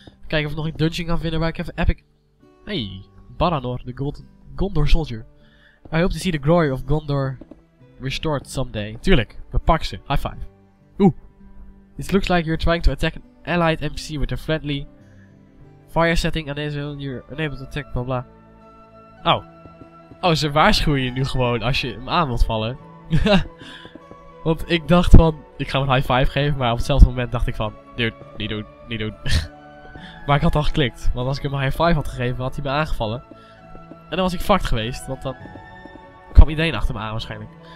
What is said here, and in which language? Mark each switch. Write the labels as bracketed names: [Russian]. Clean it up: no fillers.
[Dutch] Kijken of ik nog een dungeon kan vinden waar ik even epic... Hey, Baranor, de Gondor Soldier. [English] I hope to see the glory of Gondor restored someday. [Dutch] Tuurlijk, we pakken ze. [English] High five. Oeh. It looks like you're trying to attack an allied NPC with a friendly fire setting. And then you're unable to attack, blah blah. Oh. [Dutch] Oh, ze waarschuwen je nu gewoon als je hem aan wilt vallen. Want ik dacht van, ik ga hem een high five geven, maar op hetzelfde moment dacht ik van, niet doen. Maar ik had al geklikt, want als ik hem een high five had gegeven, had hij me aangevallen. En dan was ik fucked geweest, want dan kwam iedereen achter me aan waarschijnlijk.